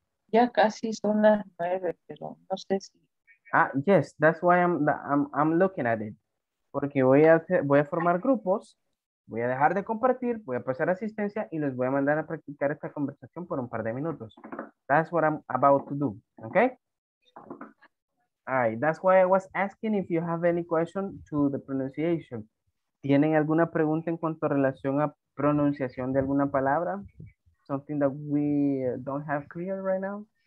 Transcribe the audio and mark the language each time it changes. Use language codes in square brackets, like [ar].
[es] Ya casi son las nueve, pero no sé si. [en] Ah, yes. That's why I'm looking at it. [es] Porque voy a formar grupos. Voy a dejar de compartir, voy a pasar asistencia y los voy a mandar a practicar esta conversación por un par de minutos. [en] That's what I'm about to do, okay? All right, that's why I was asking if you have any question to the pronunciation. [es] ¿Tienen alguna pregunta en cuanto a relación a pronunciación de alguna palabra? [en] Something that we don't have clear right now?